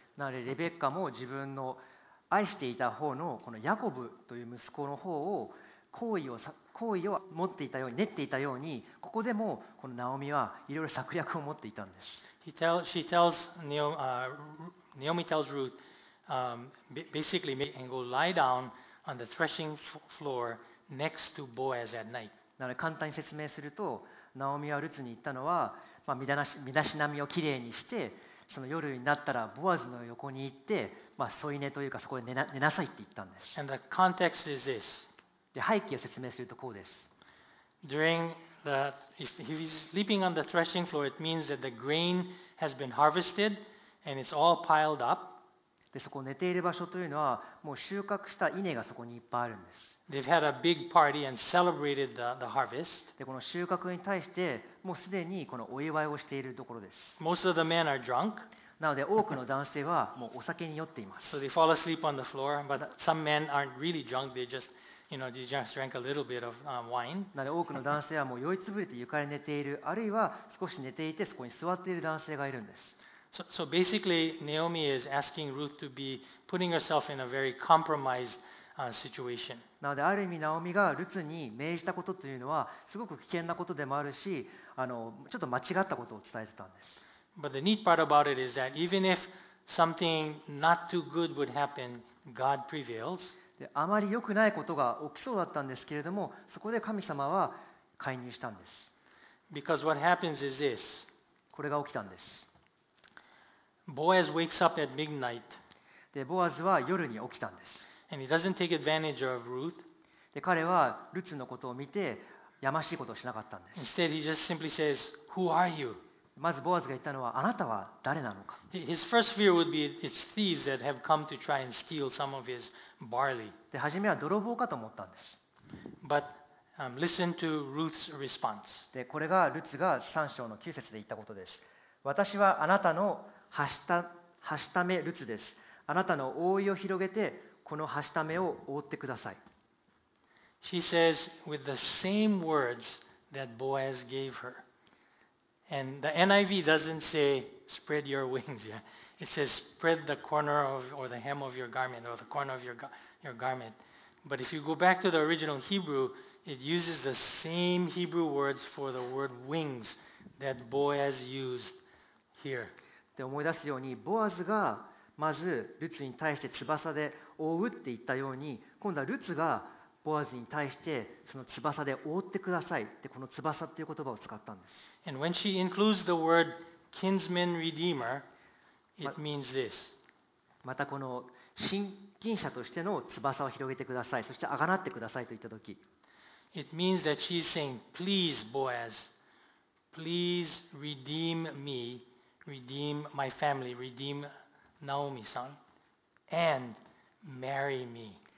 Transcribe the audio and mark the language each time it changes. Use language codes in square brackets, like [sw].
[ja] なのでレベッカも自分の愛していた方のこのヤコブという息子の方を好意を持っていたように練っていたように、ここでもこのナオミはいろいろ策略を持っていたんです。 [en] Naomi tells Ruth, basically make and go lie down on the threshing floor. Next to Boaz at night. [ja] なので簡単に説明すると、ナオミはルツに行ったのは、まあ、身だしなみをきれいにして、その夜になったらボアズの横に行って、まあ、添い寝というかそこで寝なさいって言ったんです。 [en] And the context is this. [ja] で背景を説明するとこうです。 [en] During the if he's sleeping on the threshing floor, it means that the grain has been harvested and it's all piled up. [ja] でそこ寝ている場所というのは、もう収穫した稲がそこにいっぱいあるんです。 [en] They've had a big party and celebrated the harvest. [ja] で、この収穫に対してもうすでにこのお祝いをしているところです。 [en] Most of the men are drunk. [ja] なので多くの男性はもうお酒に酔っています。 [en] So they fall asleep on the floor, but some men aren't really drunk. They just, you know, they just drank a little bit of wine. [ja] なので多くの男性はもう酔いつぶれて床に寝ている、あるいは少し寝ていてそこに座っている男性がいるんです。 [en] So basically, Naomi is asking Ruth to be putting herself in a very compromised. Situation. [ja] なのである意味ナオミがルツに命じたことというのはすごく危険なことでもあるし、ちょっと間違ったことを伝えてたんです。 [en] But the neat part about it is that even if something not too good would happen, God prevails. [ja] あまり良くないことが起きそうだったんですけれども、そこで神様は介入したんです。 [en] Because what happens is this. [ja] これが起きたんです。 [en] Boaz wakes up at midnight. [ja] で、ボアズは夜に起きたんです。 [en] And he doesn't take advantage of Ruth. [ja] で彼はルツのことを見てやましいことをしなかったんです。 [en] Instead, he just simply says, "Who are you?" [ja] まずボアズが言ったのは、あなたは誰なのか。 [en] His first fear would be it's thieves that have come to try and steal some of his barley. [ja] で初めは泥棒かと思ったんです。 [en] But listen to Ruth's response. [ja] でこれがルツが三章の九節で言ったことです。私はあなたのはしためルツです。あなたの覆いを広げてこのはしためを覆ってください。 [en] She says with the same words that Boaz gave her. And the NIV doesn't say spread your wings. Yeah, it says spread the corner of or the hem of your garment or the corner of your garment. But if you go back to the original Hebrew, it uses the same Hebrew words for the word wings that Boaz used here. [ja] で思い出すようにボアズがまずルツに対して翼で覆うって言ったように今度はルツがボアズに対してその翼で覆ってくださいってこの翼っていう言葉を使ったんです。 [en] And when she includes the word kinsman redeemer, it means this. [ja] またこの親近者としての翼を広げてください、そして贖ってくださいと言ったとき。 [en] It means that she is saying, please, Boaz, please redeem me, redeem my family, redeem Naomi-san, and marry me.